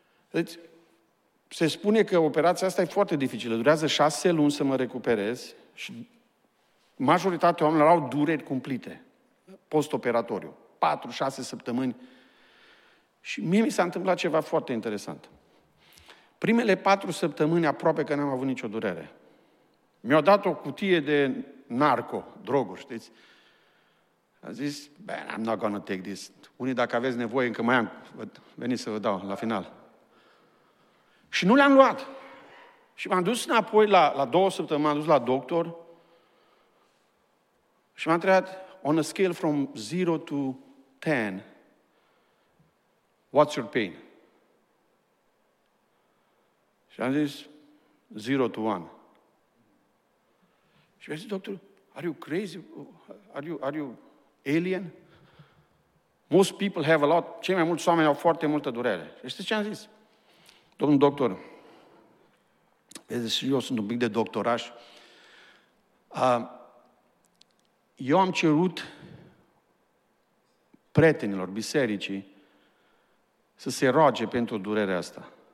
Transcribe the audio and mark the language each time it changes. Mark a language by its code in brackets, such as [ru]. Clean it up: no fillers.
[ro] Deci, se spune că operația asta e foarte dificilă, durează 6 luni să mă recuperez și majoritatea oamenilor au dureri cumplite, post-operatoriu, 4-6 săptămâni. Și mie mi s-a întâmplat ceva foarte interesant. Primele 4 săptămâni aproape că n-am avut nicio durere. Mi-au dat o cutie de narco, droguri, știți? Am zis, [en] man, I'm not gonna take this. [ro] Unii, dacă aveți nevoie, încă mai am, veniți să vă dau la final. Și nu le-am luat. Și m-am dus înapoi la 2 săptămâni, m-am dus la doctor Și m-a întrebat, [en] on a scale from 0 to 10, what's your pain? [ro] Și am zis, 0 to 1. Și mi-a zis, [en] doctor, are you crazy? Are you alien? Most people have a lot, [ro] cei mai mulți oameni au foarte multă durere. Și știți ce am zis? Domnul doctor, vedeți, eu sunt un pic de doctoraș, eu am cerut prietenilor bisericii să se roage pentru durerea asta.